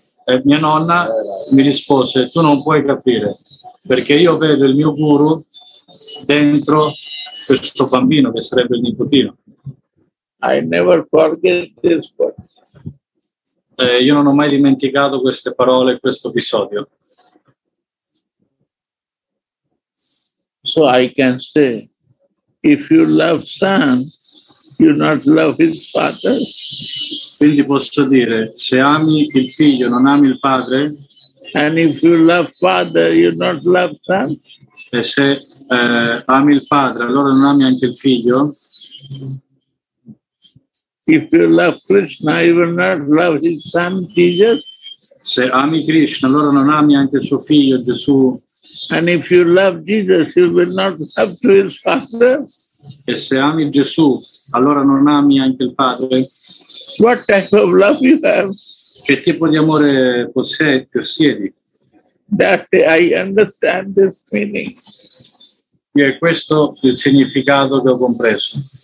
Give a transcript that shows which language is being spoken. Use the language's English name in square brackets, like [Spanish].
[Italian] E mia nonna mi rispose, tu non puoi capire, perché io vedo il mio guru dentro questo bambino, che sarebbe il nipotino. [English] I never forget this word. [Italian] Io non ho mai dimenticato queste parole, questo episodio. [English] So I can say, if you love son, you not love his father. [Italian] Quindi posso dire, se ami il figlio, non ami il padre. [English] And if you love father, you not love son. [Italian] E se ami il padre, allora non ami anche il figlio. [English] If you love Krishna, you will not love his son Jesus. [Italian] Se ami Krishna, allora non ami anche suo figlio Gesù. [English] And if you love Jesus, you will not love to his father. [Italian] E se ami Gesù, allora non ami anche il padre. [English] What type of love you have? [Italian] Che tipo di amore possiedi? [English] That I understand this meaning. [Italian] E è questo il significato che ho compreso.